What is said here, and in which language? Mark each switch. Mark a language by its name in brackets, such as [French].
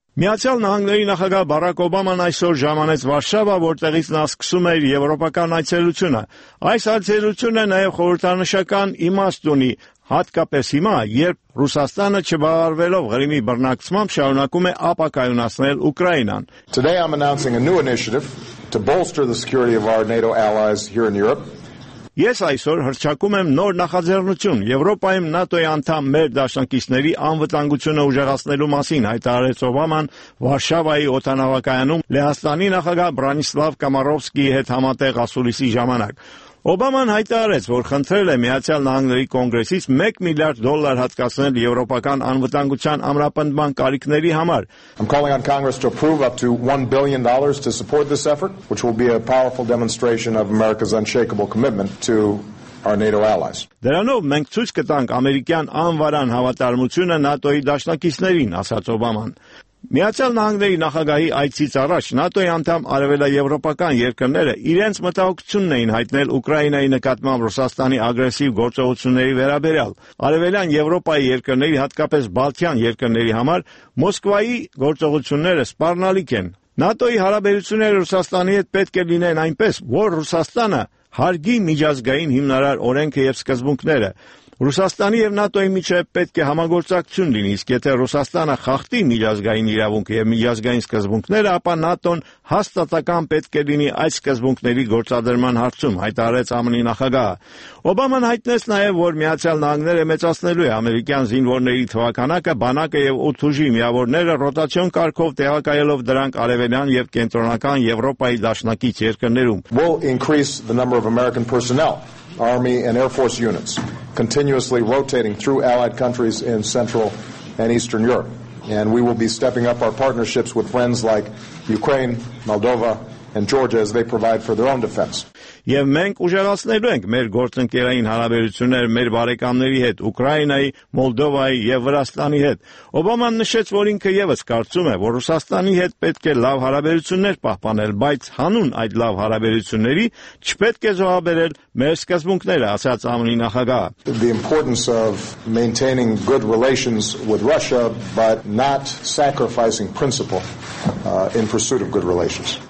[Armenian] Միացյալ Նահանգների նախագահ Բարակ Օբաման այսօր ժամանեց Վարշավա, որտեղից նա սկսում էր եվրոպական այցելությունը։ Այս այցելությունը նաև խորհրդանշական իմաստ ունի, հատկապես հիմա, երբ Ռուսաստանը չբավարարվելով Ղրիմի բռնակցմամբ շարունակում է ապակայունացնել Ուկրաինան։ [English] Today I'm announcing a new initiative to bolster the security of our NATO allies here in Europe. [Armenian] Ես այսօր հրճակում եմ նոր նախաձեռնություն Եվրոպայում ՆԱՏՕ-ի անդամ մեր դաշնակիցների անվտանգությունը ուժեղացնելու մասին, հայտարարեց Օբաման Վարշավայի օտանավակայանում Լեհաստանի նախագահ Բրանիսլավ Կամարովսկիի հետ համատեղ ասուլիսի ժամանակ։ Օբաման հայտարարեց, որ խնդրել է Միացյալ Նահանգների կոնգրեսից $1 միլիարդ հատկացնել եվրոպական անվտանգության ամրապնդման կարիքների համար։ [English] I'm calling on Congress to approve up to $1 billion to support this effort, which will be a powerful demonstration of America's unshakable commitment to our NATO allies. [Armenian] Դրանով մենք ցույց կտանք ամերիկյան անվարան հավատարմությունը ՆԱՏՕ-ի դաշնակիցներին, ասաց Օբաման։ Միացյալ Նահանգների նախագահի այցից առաջ ՆԱՏՕ-ի անդամ արևելաեվրոպական երկրները իրենց մտահոգությունն էին հայտնել Ուկրաինայի նկատմամբ Ռուսաստանի ագրեսիվ գործողությունների վերաբերյալ։ Արևելյան Եվրոպայի երկրների, հատկապես Բալթյան երկրների համար Մոսկվայի գործողությունները սպառնալիք են։ ՆԱՏՕ-ի հարաբերությունները Ռուսաստանի հետ պետք է լինեն այնպես, որ Ռուսաստանը հարգի միջազգային հիմնարար օրենքը եւ սկզբունքները։ Ռուսաստանի եւ ՆԱՏՕ-ի միջեւ պետք է համագործակցություն լինի, իսկ եթե Ռուսաստանը խախտի միջազգային իրավունքը եւ միջազգային սկզբունքները, ապա ՆԱՏՕ-ն հաստատական պետք է լինի այդ սկզբունքների գործադրման հարցում, հայտարարեց ԱՄՆ-ի նախագահը։ Օբաման հայտնեց նաեւ, որ Միացյալ Նահանգները մեծացնելու է ամերիկյան զինվորների թվականակը, բանակը եւ 8 ուժի միավորները ռոտացիոն կարգով տեղակայելով դրանք արևելյան եւ կենտրոնական Եվրոպայի դաշնակից երկրներում։ [English] We'll increase the number of American personnel, Army and Air Force units, continuously rotating through allied countries in Central and Eastern Europe. And we will be stepping up our partnerships with friends like Ukraine, Moldova, and Georgia as they provide for their own defense. [Armenian] Եվ մենք ուժեղացնելու ենք մեր գործընկերային հարաբերությունները մեր բարեկամների հետ, Ուկրաինայի, Մոլդովայի եւ Վրաստանի հետ։ Օբաման նշեց, որ ինքը եւս կարծում է, որ Ռուսաստանի հետ պետք է լավ հարաբերություններ պահպանել, բայց հանուն այդ լավ հարաբերությունների չպետք է զոհաբերել մեր սկզբունքները, ասաց ԱՄՆ-ի նախագահը։ [English] The importance of maintaining good relations with Russia but not sacrificing principle in pursuit of good relations.